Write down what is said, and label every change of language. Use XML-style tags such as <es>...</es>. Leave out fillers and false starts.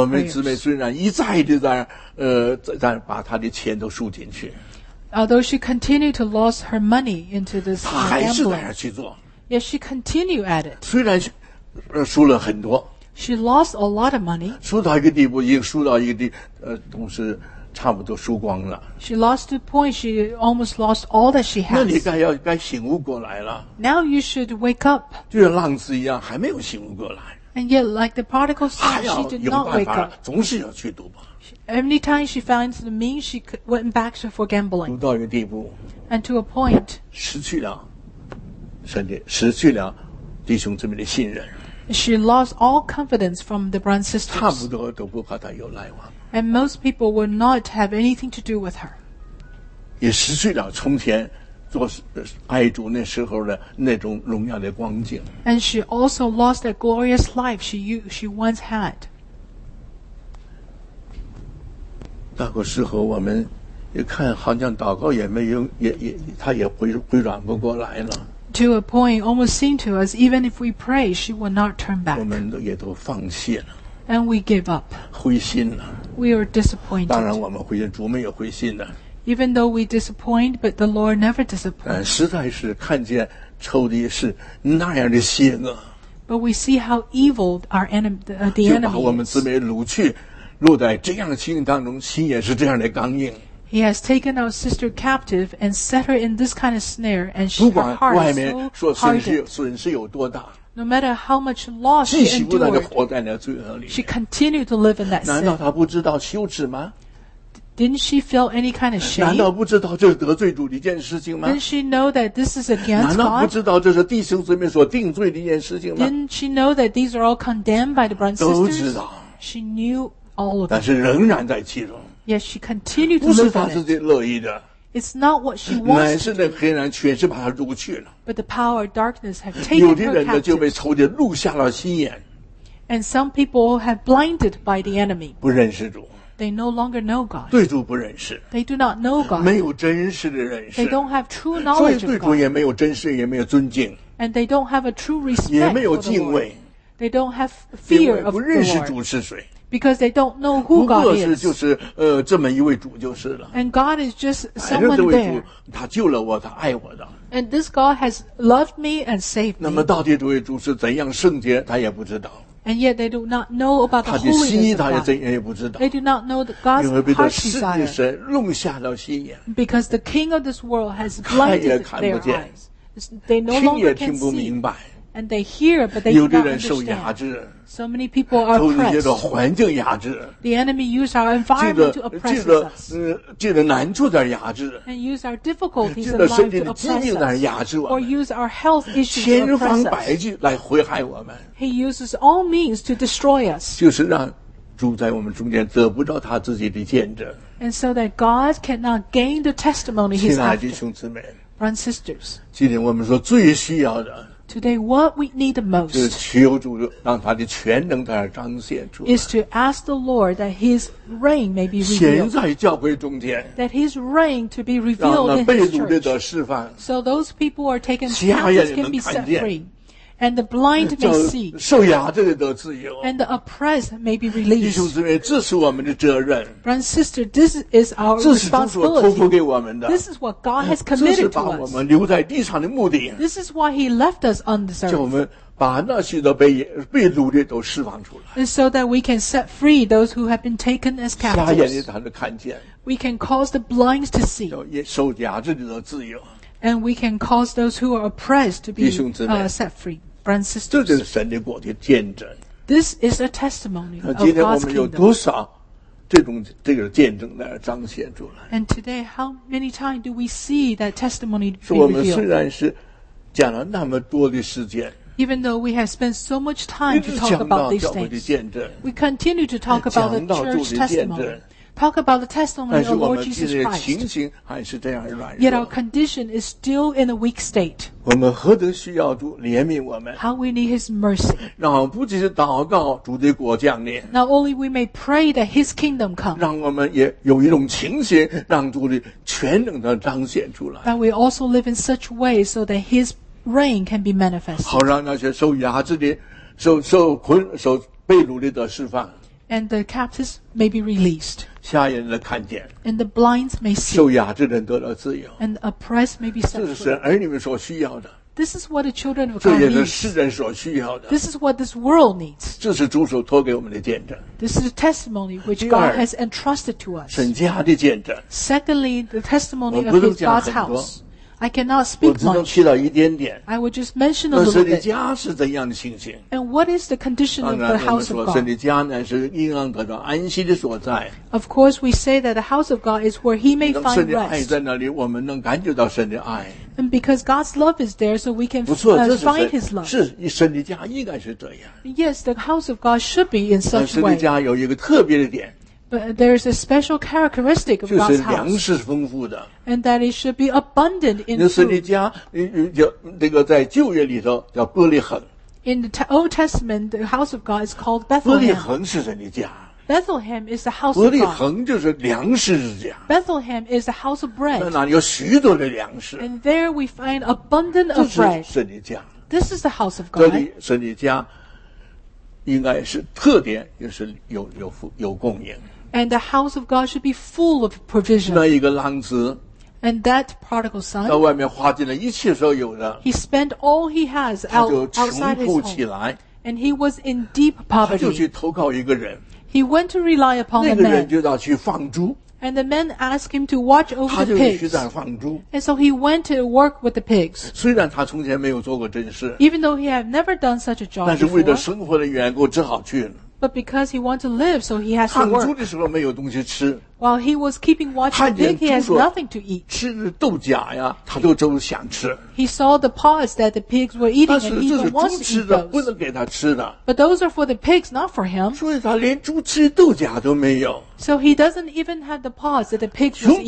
<zh>我们姊妹虽然一再的在把她的钱都输进去。</zh> <en>Although she continued to lose her money into this gambling,</en> <zh>她还是在那去做。</zh> <en>Yet she continued at it.</en> <zh>虽然输了很多。</zh> <en>She lost a lot of money.</en> <zh>输到一个地步，已经输到一个地，都是差不多输光了。</zh> <en>She lost to a point she almost lost all that she has.</en> <zh>那你该醒悟过来了。</zh> <en>Now you should wake up.</en> <zh>就像浪子一样，还没有醒悟过来。</zh> <en>And yet, like the prodigal son, she did not wake up.</en> <zh>总是要去赌吧。</zh> <en>Every time she finds the means, she went back for gambling.</en> <zh>赌到一个地步。</zh> <en>And to a point.</en> <zh>失去了神的，失去了弟兄姊妹的信任。</zh> <en>She lost all confidence from the brothers and sisters.</en> <zh>差不多都不和她有来往。</zh> <en>And most people would not have anything to do with her.</en> <zh>也失去了从前做爱主那时候的那种荣耀的光景。</zh> <en>And she also lost a glorious life she once had.</en> <zh>那个时候我们一看好像祷告也没用，她也回转不过来了。</zh> <en>To a point almost seemed to us, even if we pray, she will not turn back.</en> <zh>我们也都放弃了。</zh> <en>And we give up.</en> <zh>灰心了。</zh> <en>We are disappointed.</en> <zh>当然我们灰心，主没有灰心的。</zh> <en>Even though we disappoint, but the Lord never disappoints.</en> <zh>实在是看见仇敌是那样的邪恶。</zh> <en>But we see how evil our the enemy is.</en> <zh>就把我们姊妹掳去，落在这样的情形当中，心也是这样的刚硬。 He has taken our sister captive and set her in this kind of snare, and she, her heart is so hardened.</zh> <en>No matter how much loss she endured, she continued to live in that sin.</en> <zh>难道她不知道羞耻吗？</zh> <en>Didn't she feel any kind of shame?</en> <zh>难道不知道这是得罪主的一件事情吗？</zh> <en>Didn't she know that this is against God?</en> <zh>难道不知道这是弟兄姊妹所定罪的一件事情吗？</zh> <en>Didn't she know that these are all condemned by the brothers and sisters?</en> <zh>都知道。</zh> <en>She knew all of it.</en> <zh>但是仍然在其中。</zh> <en>Yes, she continued to live in it.</en> <zh>乐意的。</zh> <en>It's not what she wants.</en> <zh>乃是那黑暗全是把她掳去了。</zh> <en>But the power of darkness have taken her captive.</en> <zh>有的人呢就被仇敌掳瞎了心眼。</zh> <en>And some people have blinded by the enemy.</en> <zh>不认识主。</zh> <en>They no longer know God.</en> <zh>对主不认识。</zh> <en>They do not know God.</en> <zh>没有真实的认识。</zh> <en>They don't have true knowledge of God.</en> <zh>所以对主也没有真实，也没有尊敬。</zh> <en>And they don't have a true respect.</en> <zh>也没有敬畏。</zh> <en>They don't have fear of the Lord.</en> <zh>不认识主是谁。</zh> <en>Because they don't know who God is.</en> <zh>就是这么一位主就是了。</zh> <en>And God is just someone there.</en> <zh>这位主他救了我，他爱我的。</zh> <en>And this God has loved me and saved me.</en> <zh>那么到底这位主是怎样圣洁，他也不知道。</zh> <en>And yet they do not know about the holiness of God.</en> <zh>他的心意他也怎样也不知道。</zh> <en>They do not know God's heart desire.</en> <zh>因为被这世界神弄瞎了心眼。</zh> <en>Because the king of this world has blinded their eyes.</en> <zh>看也看不见。</zh> <en>They no longer can see.</en> <zh>听也听不明白。</zh> <en>And they hear, but they do not understand.</en> <zh>有的人受压制。</zh> <en>So many people are oppressed.</en> <zh>受那些的环境压制。</zh> <en>The enemy uses our environment to oppress us.</en> <zh>借着难处在压制。</zh> <en>And use our difficulties in life to oppress us.</en> <zh>借着身体的疾病在压制我们。</zh> <en>Or use our health issues to oppress us.</en> <zh>千方百计来毁害我们。</zh> <en>He uses all means to destroy us.</en> <zh>就是让主在我们中间得不到他自己的见证。</zh> <en>And so that God cannot gain the testimony he's after.</en> <zh>亲爱的弟兄姊妹。</zh> <en>Brothers and sisters.</en> <zh>今天我们说最需要的。</zh> <en>Today, what we need the most</en> <zh>就是求主让他的全能在那彰显出来</zh> <en>is to ask the Lord that His reign may be revealed.</en> <zh>显在教会中间</zh> <en>that His reign to be revealed in His church.</en> <zh>让那被掳的释放</zh> <en>so those people are taken captives can be set free, and the blind may see.</en> <zh>受压制的得自由</zh> <en>and the oppressed may be released.</en> <zh>弟兄姊妹，这是我们的责任</zh> <en>Brothers and sisters, this is our responsibility.</en> <zh>这是主所托付给我们的</zh> <en>This is what God has committed to us.</en> <zh>这是把我们留在地上的目的</zh> <en>This is why He left us on this earth.</en> <zh>叫我们把那许多被掳的都释放出来</zh> <en>And so that we can set free those who have been taken as captives.</en> <zh>瞎眼的他们看见</zh> <en>We can cause the blind to see.</en> <zh>受压制的得自由</zh> <en>And we can cause those who are oppressed to be set free. Brothers and sisters,</en> <zh>这就是神的国的见证。</zh> <en>This is a testimony of God's</en> <zh>kingdom. 那今天我们有多少这个见证在彰显出来</zh> <en>？And today, how many times do we see that testimony being</en> <zh>revealed? 我们虽然是讲了那么多的时间</zh> <en>，Even though we have spent so much time to talk about these things,</en> <zh>一直讲到教会的见证</zh> <en>，We continue to talk about the church testimony. Talk about the testimony of the Lord Jesus Christ.</en> <zh>但是我们今天的情形还是这样软弱。</zh> <en>Yet our condition is still in a weak state.</en> <zh>我们何等需要主怜悯我们。</zh> <en>How we need His mercy.</en> <zh>让我们不只是祷告主的国降临。</zh> <en>Not only we may pray that His kingdom come.</en> <zh>让我们也有一种情形，让主的全能的彰显出来。</zh> <en>That we also live in such ways so that His reign can be manifested.</en> <zh>好让那些受压制的、受捆、受被掳的得释放。</zh> <en>And the captives may be released.</en> <zh>瞎眼的看见。</zh> <en>And the blind may see.</en> <zh>受压制的人得到自由。</zh> <en>And the oppressed may be set free.</en> <zh>这是儿女们所需要的。</zh> <en>This is what the children of God need.</en> <zh>这也是世人所需要的。</zh> <en>This is what this world needs.</en> <zh>这是主所托给我们的见证。</zh> <en>This is a testimony which God has entrusted to us.</en> <zh>神家的见证。</zh> <en>Secondly, the testimony of God's house.</en> <zh>我不能讲很多。</zh> <en>I cannot speak much.</en> <zh>我只能提到一点点。</zh> <en>I would just mention a little bit.</en> <zh>那神的家是怎样的情形</zh> <en>？And what is the condition of the house of God?</en> <zh>神的家乃是应当得到安息的所在。</zh> <en>Of course, we say that the house of God is where He may find rest.</en> <zh>神的爱在那里，我们能感觉到神的爱。</zh> <en>And because God's love is there, so we can find His love.</en> <zh>是神的家应该是这样。</zh> <en>Yes, the house of God should be in such way.</en> <zh>神的家有一个特别的点。</zh> <en>But there is a special characteristic of God's house.</en> <zh>就是粮食丰富的。</zh> <en>And that it should be abundant in food.</en> <zh>那是你家，这个在旧约里头叫伯利恒。</zh> <en>In the Old Testament, the house of God is called Bethlehem.</en> <zh>伯利恒是神的家。</zh> <en>Bethlehem is the house of God.</en> <zh>伯利恒就是粮食之家。</zh> <en>Bethlehem is the house of bread.</en> <zh>那里有许多的粮食。</zh> <en>And there we find abundant of bread.</en> <zh>这是神的家。</zh> <en>This is the house of God.</en> <zh>这里神的家应该是特点，也是有供应。</zh> <en>And the house of God should be full of provision.</en> <zh>那一个浪子。</zh> <en>And that prodigal son,</en> <zh>到外面花尽了一切所有的,</zh> <en>he spent all he has outside his home. And he was in deep poverty.</en> <zh>他就去投靠一个人,</zh> <en>he went to rely upon the man.</en> <zh>那个人就要去放猪,</zh> <en>and the man asked him to watch over the pigs.</en> <zh>他就去在放猪,</zh> <en>and so he went to work with the pigs.</en> <zh>虽然他从前没有做过这件事,</zh> <en>even though he had never done such a job,</en> <zh>但是为了生活的缘故只好去了。</zh> <en>But because he wants to live, so he has to work.</en> <zh>放猪的时候没有东西吃。</zh> <en>While he was keeping watch the pig, he has nothing to eat.</en> <zh>吃豆荚呀，他都想吃。</zh> <en>He saw the pods that the pigs were eating, and he wants to eat those.</en> <zh>但是这是猪吃的，不能给他吃的。</zh> <en>But those are for the pigs, not for him.</en> <zh>所以他连猪吃豆荚都没有。</zh> <en>So he doesn't even have the pods that the pigs were eating.</en>